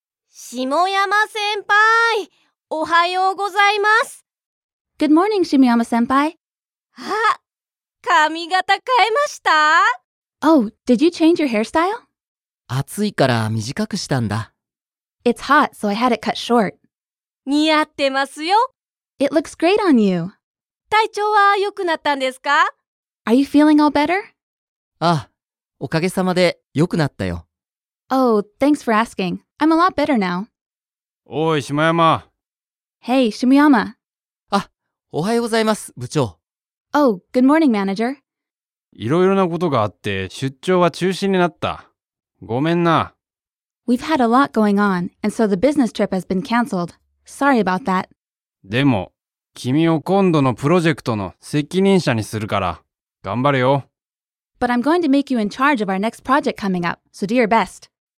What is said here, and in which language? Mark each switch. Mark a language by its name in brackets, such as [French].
[Japanese] 下山先輩、おはようございます。 [English] Good morning, 下山先輩。 [Japanese] あ、髪型変えました？ [English] Oh, did you change your hairstyle? [Japanese] 暑いから短くしたんだ。 [English] It's hot, so I had it cut short. [Japanese] 似合ってますよ。 [English] It looks great on you. [Japanese] 体調は良くなったんですか？ [English] Are you feeling all better? [Japanese] ああ、おかげさまで良くなったよ。 [English] Oh, thanks for asking. I'm a lot better now. [Japanese] おい、下山。 [English] Hey, Shimuyama. [Japanese] あ、おはようございます、部長。 [English] Oh, good morning, manager. [Japanese] いろいろなことがあって、出張は中止になった。ごめんな。 [English] We've had a lot going on, and so the business trip has been cancelled. Sorry about that. [Japanese] でも、君を今度のプロジェクトの責任者にするから、頑張れよ。 [English] But I'm going to make you in charge of our next project coming up, so do your best.